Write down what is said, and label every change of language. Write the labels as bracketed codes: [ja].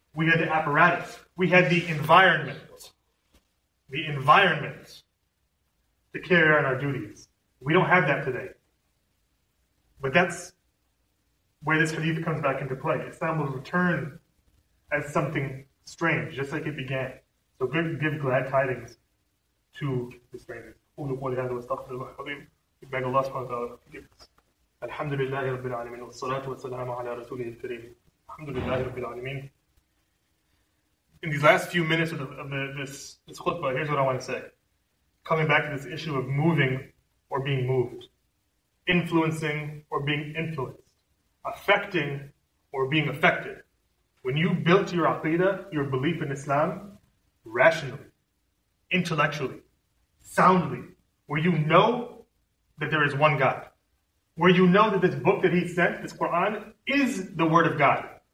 [en] We had the apparatus. We had the environment. The environment to carry on our duties. We don't have that today. But that's where this hadith comes back into play. Islam will return as something strange, just like it began. So give glad tidings to the strangers. [ar] قول قولي هذا واستغفر الله العظيم بأن الله سبحانه وتعالى يقص الحمد لله رب العالمين والصلاة والسلام على رسوله الكريم الحمد لله رب العالمين. [en] In these last few minutes of this khutbah, here's what I want to say. Coming back to this issue of moving or being moved, influencing or being influenced, affecting or being affected. When you built your aqidah, your belief in Islam, rationally, intellectually, soundly, where you know that there is one God, where you know that this book that He sent, this Quran, is the Word of God.